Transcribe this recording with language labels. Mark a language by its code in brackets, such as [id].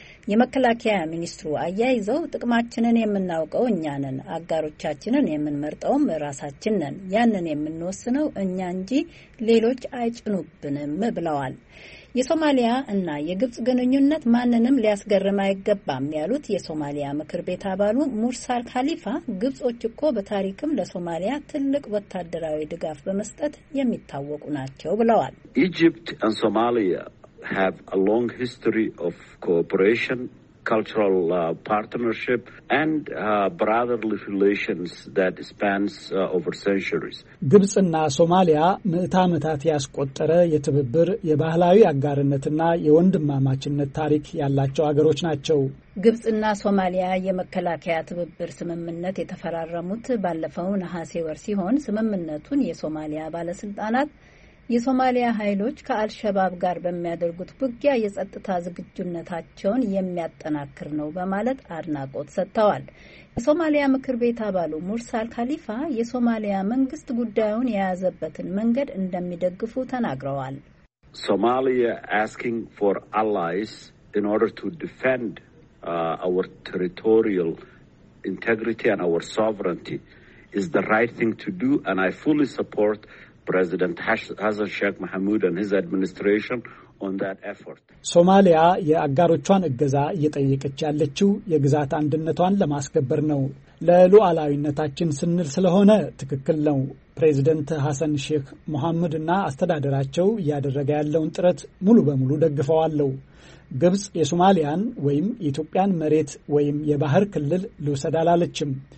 [am] የመከላከያ ሚኒስትሩ አያይዘው ጥቅማችንን የምናውቀው እኛ ነን፣ አጋሮቻችንን የምንመርጠውም ራሳችን ነን፣ ያንን የምንወስነው እኛ እንጂ ሌሎች አይጭኑብንም ብለዋል። የሶማሊያ እና የግብጽ ግንኙነት ማንንም ሊያስገርም አይገባም ያሉት የሶማሊያ ምክር ቤት አባሉ ሙርሳል ካሊፋ ግብጾች እኮ በታሪክም ለሶማሊያ ትልቅ ወታደራዊ ድጋፍ በመስጠት የሚታወቁ ናቸው ብለዋል። [en] ኢጅፕት አንድ ሶማሊያ have a long history of cooperation, cultural partnership, and brotherly relations that spans over centuries. [am] ግብጽና ሶማሊያ ምዕተ ዓመታት ያስቆጠረ የትብብር የባህላዊ አጋርነትና የወንድማማችነት ታሪክ ያላቸው አገሮች ናቸው። ግብጽና ሶማሊያ የመከላከያ ትብብር ስምምነት የተፈራረሙት ባለፈው ነሐሴ ወር ሲሆን ስምምነቱን የሶማሊያ ባለስልጣናት የሶማሊያ ኃይሎች ከአልሸባብ ጋር በሚያደርጉት ውጊያ የጸጥታ ዝግጁነታቸውን የሚያጠናክር ነው በማለት አድናቆት ሰጥተዋል። የሶማሊያ ምክር ቤት አባሉ ሙርሳል ካሊፋ የሶማሊያ መንግስት ጉዳዩን የያዘበትን መንገድ እንደሚደግፉ ተናግረዋል። [en] ሶማሊያ asking for allies in order to defend our territorial integrity and our sovereignty is the right thing to do and I fully support President Hassan Sheikh Mahmoud and his administration on that effort. [am] ሶማሊያ የአጋሮቿን እገዛ እየጠየቀች ያለችው የግዛት አንድነቷን ለማስከበር ነው። ለሉዓላዊነታችን ስንል ስለሆነ ትክክል ነው። ፕሬዚደንት ሐሰን ሼክ መሐመድና አስተዳደራቸው ያደረገ ያለውን ጥረት ሙሉ በሙሉ ደግፈዋለሁ። ግብጽ የሶማሊያን ወይም የኢትዮጵያን መሬት ወይም የባህር ክልል ልውሰድ አላለችም።